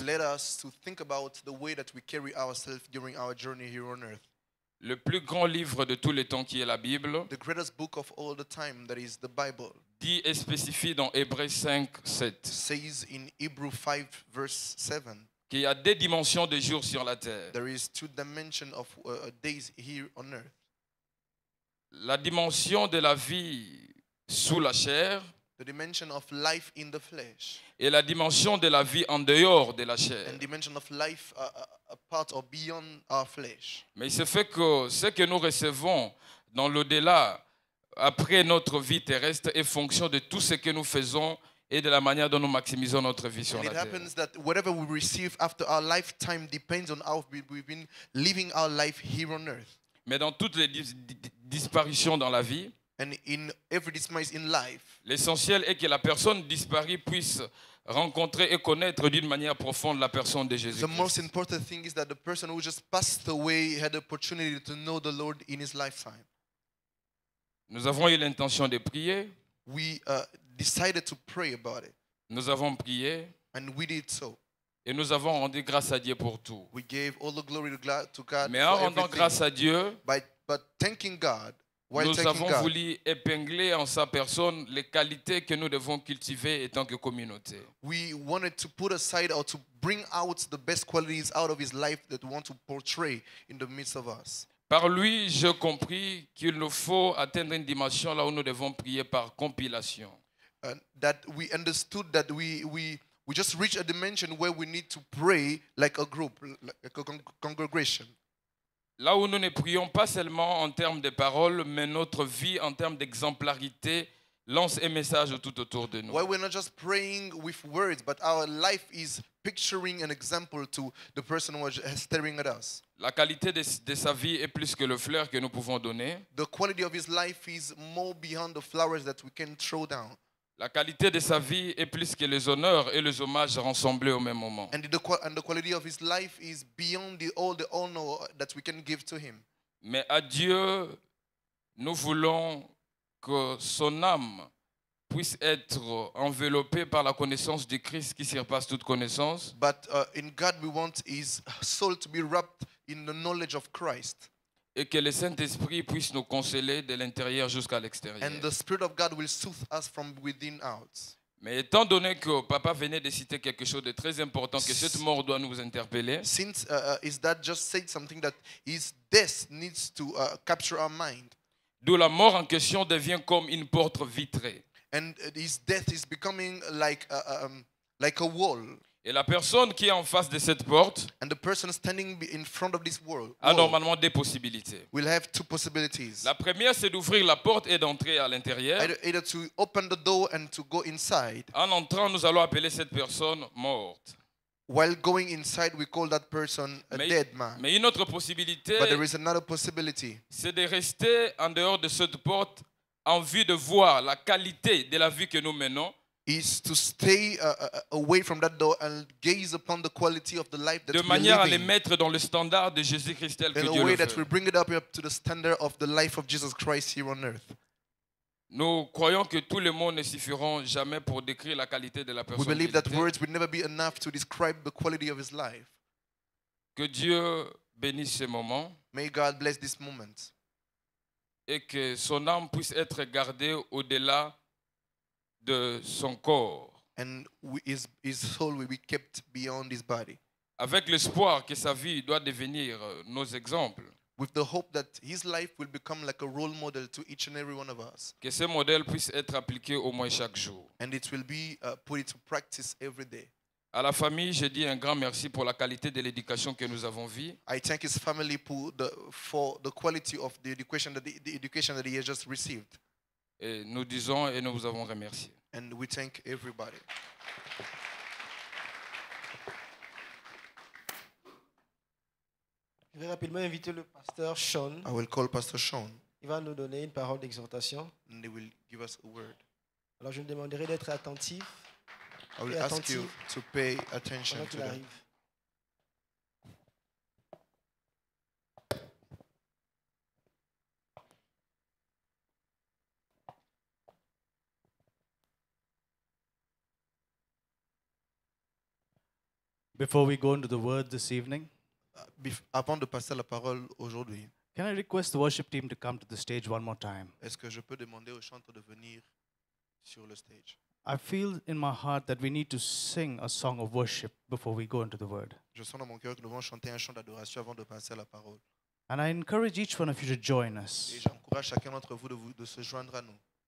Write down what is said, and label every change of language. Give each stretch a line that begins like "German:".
English: And it led us to think about the way that we carry ourselves during our journey here on earth.
French: Le plus grand livre de tous les temps qui est la Bible.
English: The greatest book of all the time that is the Bible.
French: Dit et spécifie dans Hébreux 5, 7.
English: Says in Hebrews 5, verse 7.
French: Qu'il y a deux dimensions de jours sur la terre.
English: There is two dimensions of days here on earth.
French: La dimension de la vie sous la chair.
English: The dimension of life in the flesh.
French: Et la dimension de la vie en dehors de la chair.
English: And dimension of life apart or beyond our flesh.
French: Mais il se fait que ce que nous recevons dans l'au-delà, après notre vie terrestre, est fonction de tout ce que nous faisons et de la manière dont nous maximisons notre vie sur la terre.
English: It happens that whatever we receive after our lifetime depends on how we've been living our life here on earth.
French: Mais dans toutes les disparitions dans la vie,
English: and in every dismissal in life,
French: l'essentiel est que la personne disparue puisse rencontrer et connaître d'une manière profonde la personne de Jésus.
English: The most important thing is that the person who just passed away had the opportunity to know the Lord in his lifetime.
French: Nous avons eu l'intention de prier.
English: We decided to pray about it.
French: Nous avons prié.
English: And we did so.
French: Et nous avons rendu grâce à Dieu pour tout.
English: We gave all the glory to God.
French: Mais en rendant grâce à Dieu,
English: but thanking God.
French: Nous avons voulu
English: God,
French: épingler en sa personne les qualités que nous devons cultiver en tant que communauté.
English: We wanted to put aside or to bring out the best qualities out of his life that we want to portray in the midst of us.
French: Par lui, j'ai compris qu'il nous faut atteindre une dimension là où nous devons prier par compilation.
English: That we understood that we just reached a dimension where we need to pray like a group, like a congregation.
French: Là où nous ne prions pas seulement en termes de paroles, mais notre vie en termes d'exemplarité lance un message tout autour de nous.
English: Why we're not just praying with words, but our life is picturing an example to the person who is staring at us.
French: La qualité de sa vie est plus que le fleur que nous pouvons donner.
English: The quality of his life is more beyond the flowers that we can throw down.
French: La qualité de sa vie est plus que les honneurs et les hommages rassemblés au même moment.
English: And the quality of his life is beyond all the honor that we can give to him.
French: Mais à Dieu, nous voulons que son âme puisse être enveloppée par la connaissance du Christ qui surpasse toute connaissance.
English: But in God we want his soul to be wrapped in the knowledge of Christ.
French: Et que le Saint-Esprit puisse nous consoler de l'intérieur jusqu'à l'extérieur.
English: And the Spirit of God will soothe us from within out.
French: Mais étant donné que Papa venait de citer quelque chose de très important, que cette mort doit nous interpeller.
English: Since his dad just said something that his death needs to capture our mind.
French: D'où la mort en question devient comme une porte vitrée.
English: And his death is becoming like a wall.
French: Et la personne qui est en face de cette porte
English: and the person standing in front of this world,
French: a normalement deux possibilités.
English: Will have two possibilities.
French: La première, c'est d'ouvrir la porte et d'entrer à l'intérieur.
English: Either to open the door and to go inside.
French: En entrant, nous allons appeler cette personne morte.
English: While going inside, we call that person a dead man.
French: Mais une autre possibilité,
English: but there is another possibility.
French: C'est de rester en dehors de cette porte en vue de voir la qualité de la vie que nous menons.
English: is to stay away from that door and gaze upon the quality of the life that we're living.
French: De manière à les mettre dans le standard de Jésus-Christ tel que Dieu le veut.
English: In a way that we bring it up to the standard of the life of Jesus Christ here on earth.
French: Nous croyons que tous les mots ne suffiront jamais pour décrire la qualité de la personne.
English: We believe that words will never be enough to describe the quality of his life.
French: Que Dieu bénisse ce moment.
English: May God bless this moment.
French: Et que son âme puisse être gardée au-delà de son corps.
English: And his soul will be kept beyond his body.
French: Avec l'espoir que sa vie doit devenir nos exemples.
English: With the hope that his life will become like a role model to each and every one of us.
French: Que ce modèle puisse être appliqué au moins chaque jour.
English: And it will be put into practice every day.
French: À la famille, je dis un grand merci pour la qualité de l'éducation que nous avons vue.
English: I thank his family for the quality of the education that he has just received.
French: Et nous disons et nous vous avons remercié.
English: And we thank everybody.
French: Je vais rapidement inviter le pasteur Sean.
English: I will call Pastor Sean.
French: Il va nous donner une parole d'exhortation.
English: And he will give us a word.
French: Alors je lui demanderai d'être attentif.
English: I will ask you to pay attention to that.
French: Arrive.
English: Before we go into the word this evening,
French: avant de passer la parole aujourd'hui,
English: can I request the worship team to come to the stage one more time?
French: Est-ce que je peux demander aux chanteurs de venir sur le stage?
English: I feel in my heart that we need to sing a song of worship before we go into the word.
French: Je sens dans mon cœur que nous devons chanter un chant d'adoration avant de passer à la parole.
English: And I encourage each one of you to join us.
French: Et j'encourage chacun d'entre vous de se joindre à nous.